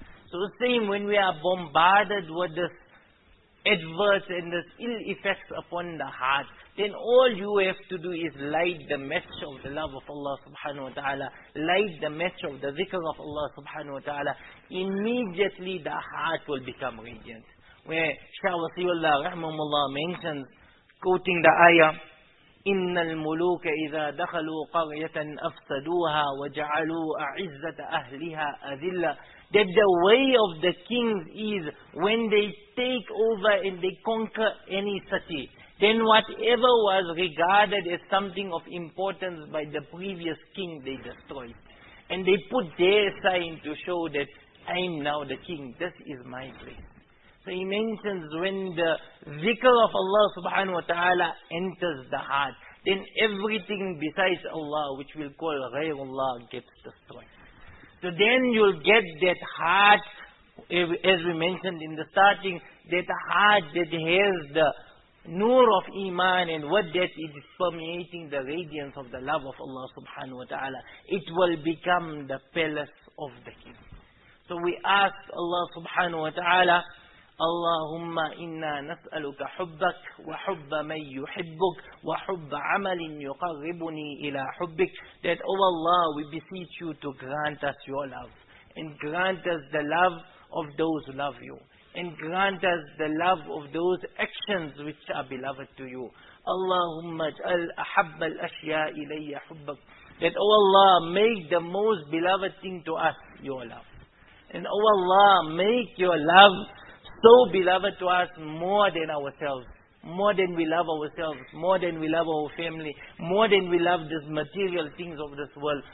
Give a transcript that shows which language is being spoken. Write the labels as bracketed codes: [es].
[en] So the same when we are bombarded with this adverse and this ill effects upon the heart, then all you have to do is light the match of the love of Allah subhanahu wa ta'ala, light the match of the zikr of Allah subhanahu wa ta'ala, immediately the heart will become radiant. Where Shaykh Wasiullah rahmahullah mentions, quoting the ayah, [ar] إِنَّ الْمُلُوكَ إِذَا دَخَلُوا قَرْيَةً أَفْسَدُوهَا وَجَعَلُوا أَعِزَّةَ أَهْلِهَا أَذِلَّةً. [en] That the way of the kings is when they take over and they conquer any city, then whatever was regarded as something of importance by the previous king, they destroyed. And they put their sign to show that I am now the king, this is my place. So he mentions when the zikr of Allah subhanahu wa ta'ala enters the heart, then everything besides Allah, which we'll call ghayrullah, gets destroyed. So then you'll get that heart, as we mentioned in the starting, that heart that has the nur of iman, and what that is permeating the radiance of the love of Allah subhanahu wa ta'ala, it will become the palace of the king. So we ask Allah subhanahu wa ta'ala, [ar] اللهم إنا نسألك حبك وحب من يحبك وحب عمل يقربني إلى حبك. [en] That, oh Allah, we beseech you to grant us your love, and grant us the love of those who love you, and grant us the love of those actions which are beloved to you. [ar] اللهم اجعل أحب الأشياء إلي حبك. [en] That, oh Allah, make the most beloved thing to us your love. And, oh Allah, make your love so beloved to us more than ourselves, more than we love ourselves, more than we love our family, more than we love these material things of this world.